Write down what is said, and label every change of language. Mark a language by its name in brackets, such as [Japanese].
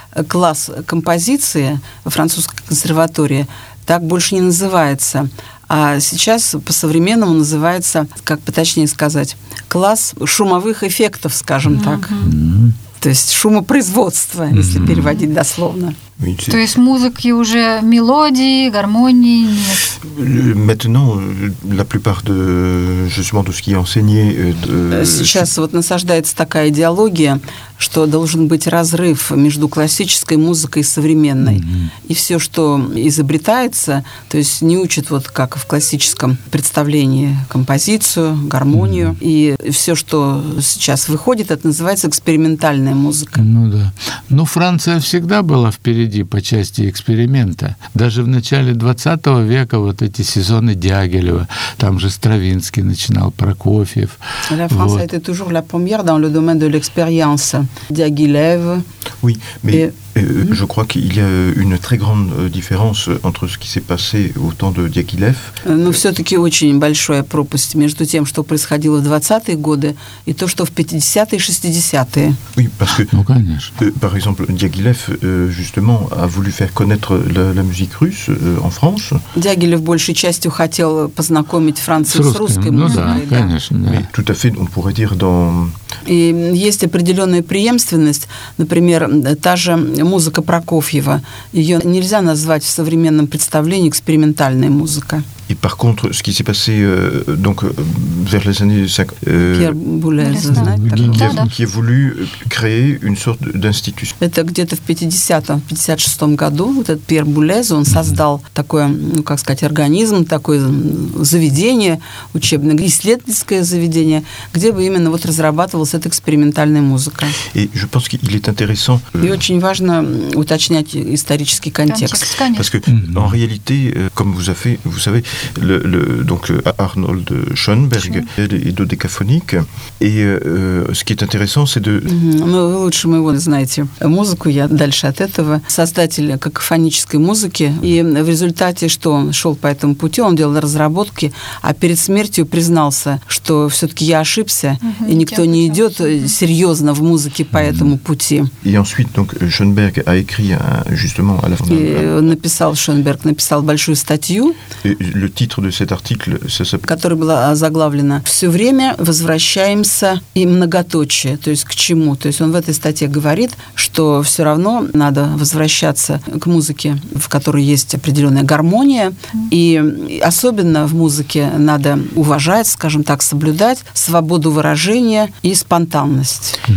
[Russian] Класс композиции в Французской консерватории так больше не называется. А сейчас по-современному называется, как поточнее сказать, класс шумовых эффектов, скажем так. То есть шумопроизводство, если переводить дословно. То есть музыки уже мелодии, гармонии нет. [French] Maintenant, la plupart de justement de ce qui est enseigné. [Russian] Сейчас вот насаждается такая идеология, что должен быть разрыв между классической музыкой и современной, и все, что изобретается, то есть не учат вот как в классическом представлении композицию, гармонию, и все, что сейчас выходит, это называется экспериментальная музыка. Ну да. Ну Франция всегда была впереди. По части эксперимента. Даже в начале 20 века вот эти сезоны Дягилева, там же Стравинский начинал, Прокофьев. [French] La France était toujours la première dans le domaine de l'expérience. [Russian] Дягилев. [French] Oui, mais je crois qu'il y a une très grande différence entre ce qui s'est passé au temps de Дягилев. [Russian] Но все-таки очень большая пропасть между тем, что происходило в 20-е годы, и то, что в 50-е и 60-е. [French] Oui, parce que, [Russian] ну, конечно. [French] Par exemple, Дягилев, justement, a voulu faire connaître la musique russe en France. [Russian] Дягилев большей частью хотел познакомить Францию с русской музыкой. Ну да, конечно. [French] Mais tout à fait, on pourrait dire dans... [Russian] И есть определенная преемственность, например, та же музыка Прокофьева, ее нельзя назвать в современном представлении экспериментальной музыкой. И, [French] par contre, ce qui s'est passé donc vers les années [Russian] Pierre Boulez, знаете, [French] qui a voulu créer une sorte d'institution. [Russian] Это где-то в 50-м, 56-м году вот этот Пьер Булез, он создал такое, ну как сказать, организм, такое заведение учебно-исследовательское заведение, где бы именно вот разрабатывалась эта экспериментальная музыка. И, [French] je pense qu'il est intéressant. [Russian] И очень важно уточнять исторический контекст. Конечно. [French] Parce que en réalité, comme vous avez, vous savez, donc Arnold Schoenberg et dodécaphonique. Et ce qui est intéressant, c'est de. [Russian] Ну, вы лучше моего знаете музыку, я дальше от этого. Создатель какофонической музыки, и в результате, что он шел по этому пути, он делал разработки, а перед смертью признался, что все-таки я ошибся, и никто не идет серьезно в музыке по этому пути. И [French] ensuite, donc Schoenberg a écrit justement à la fin. [Russian] Написал Шенберг, написал большую статью. [French] Le titre de cet article, [Russian] который была озаглавлена «Все время возвращаемся и многоточие», то есть к чему? То есть он в этой статье говорит, что все равно надо возвращаться к музыке, в которой есть определенная гармония, и особенно в музыке надо уважать, скажем так, соблюдать свободу выражения и спонтанность.